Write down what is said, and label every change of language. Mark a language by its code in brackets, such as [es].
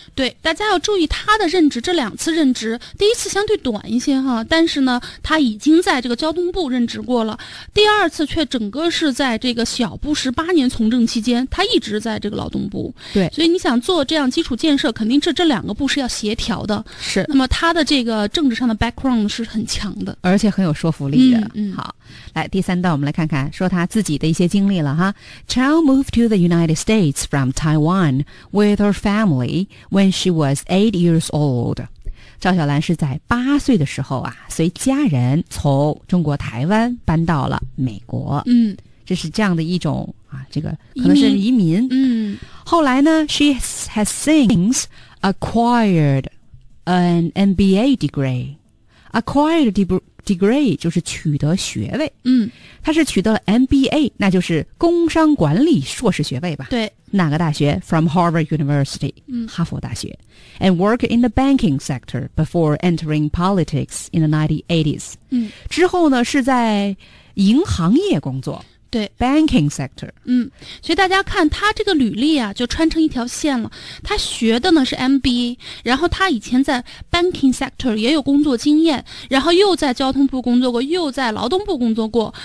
[zh] 对，大家要注意她的任职，这两次任职，第一次相对短一些哈，但是呢她已经在这个交通部任职过了，第二次却整个是在这个小布什八年从政期间，她一直在这个劳动部。对，所以你想做这样基础建设，肯定这两个部是要协调的。是，那么她的这个政治上的 background 是很强的，而且很有说服力的。嗯， 嗯，好，来第三段我们来看看说她自己的一些经历了哈。 [en] Chow moved to the United States from Taiwan with her family when she was 8 years old. [zh] 赵小兰是在八岁的时候啊，随家人从中国台湾搬到了美国。嗯，这是这样的一种啊，这个可能是移民。嗯，后来呢 [en] ，she has since acquired an MBA degree. Acquired degree [zh] 就是取得学位。嗯，她是取得了 MBA， 那就是工商管理硕士学位吧？对。哪个大学 [en] ？From Harvard University，嗯， [zh] 哈佛大学。 [en] And work in the banking sector before entering politics in the 1980s。嗯， [zh] 之后呢是在银行业工作。对 [en] ，banking sector。 [zh] 嗯，所以大家看他这个履历啊，就穿成一条线了。他学的呢是 MBA， 然后他以前在 banking sector 也有工作经验，然后又在交通部工作过，又在劳动部工作过。